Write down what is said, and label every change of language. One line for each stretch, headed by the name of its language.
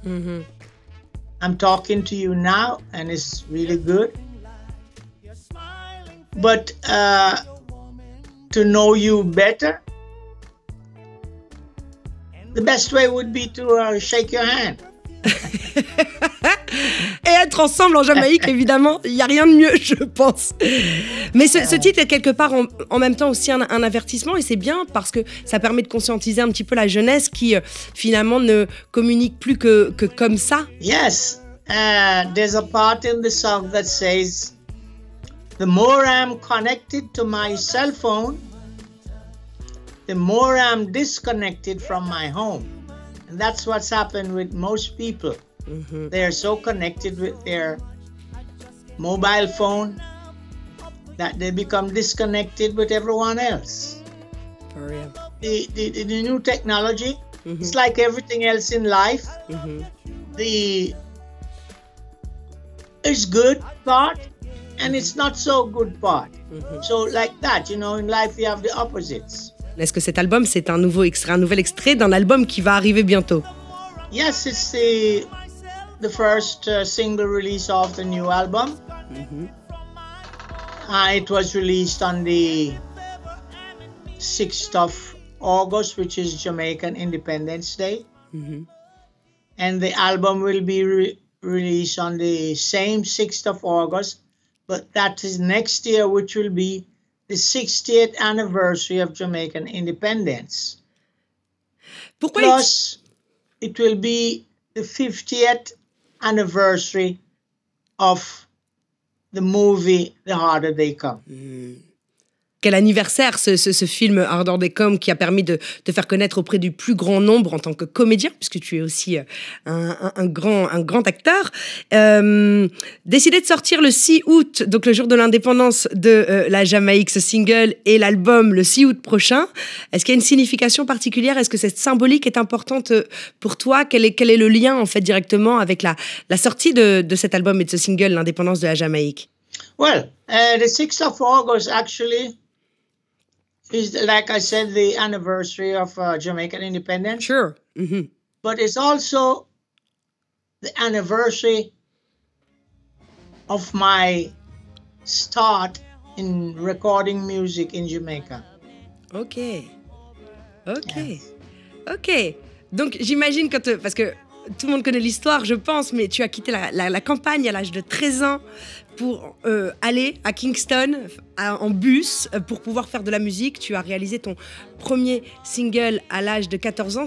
English: Mm-hmm. I'm talking to you now and it's really good. But to know you better, the best way would be to shake your hand.
French: Et être ensemble en Jamaïque, évidemment, il n'y a rien de mieux, je pense. Mais ce titre est quelque part en même temps aussi un avertissement, et c'est bien parce que ça permet de conscientiser un petit peu la jeunesse qui finalement ne communique plus que comme ça.
English: Yes, there's a part in the song that says, the more I'm connected to my cell phone, the more I'm disconnected from my home. And that's what's happened with most people. Mm-hmm. They are so connected with their mobile phone that they become disconnected with everyone else. For real. The new technology, mm-hmm. it's like everything else in life. Mm-hmm. The it's good part and it's not so good part. Mm-hmm. So like that, you know, in life you have the opposites.
French: Est-ce que cet album, c'est un nouveau extrait, un nouvel extrait d'un album qui va arriver bientôt?
English: Yes, it's the first single release of the new album. Mm-hmm. It was released on the 6th of August, which is Jamaican Independence Day. Mm-hmm. And the album will be released on the same 6th of August, but that is next year, which will be the 60th anniversary of Jamaican Independence.
French: Pourquoi?
English: Plus, it will be the 50th anniversary of the movie The Harder They Come.
French: Quel anniversaire ce film Harder They Come qui a permis de faire connaître auprès du plus grand nombre en tant que comédien, puisque tu es aussi un grand acteur. Décider de sortir le 6 août, donc le jour de l'indépendance de la Jamaïque, ce single et l'album le 6 août prochain, est-ce qu'il y a une signification particulière? Est-ce que cette symbolique est importante pour toi? Quel est le lien en fait directement avec la sortie de cet album et de ce single, l'indépendance de la Jamaïque?
English: Well, the 6th of August actually is, like I said, the anniversary of Jamaican independence. Sure. Mm-hmm. But it's also the anniversary of my start in recording music in Jamaica. Okay. Okay. Yes. Okay.
French: Donc, j'imagine que parce que tout le monde connaît l'histoire, je pense, mais tu as quitté la campagne à l'âge de 13 ans pour aller à Kingston en bus pour pouvoir faire de la musique. Tu as réalisé ton premier single à l'âge de 14 ans.